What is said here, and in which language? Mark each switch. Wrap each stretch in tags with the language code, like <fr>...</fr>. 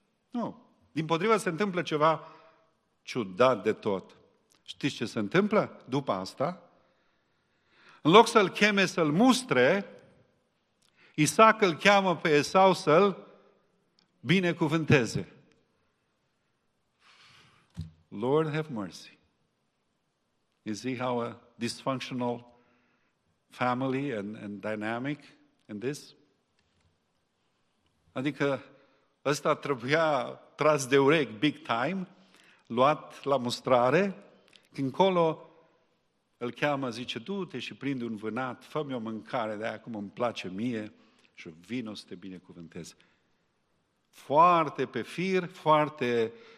<ro>Nu, dimpotrivă se întâmplă ceva ciudat de tot. Știți ce se întâmplă după asta? În loc să-l cheme să-l mustre, Isaac îl cheamă pe Esau să-l binecuvânteze.</ro> <en>Lord have mercy. You see how a dysfunctional family and dynamic in this?</en> <ro>Adică ăsta trebuia tras de urechi</ro> <en>big time,</en> <ro>luat la mustrare, când colo îl cheamă, zice, du-te și prinde un vânat, fă-mi o mâncare de aia cum îmi place mie și vin o să te binecuvânteze. Foarte pe fir, foarte</ro>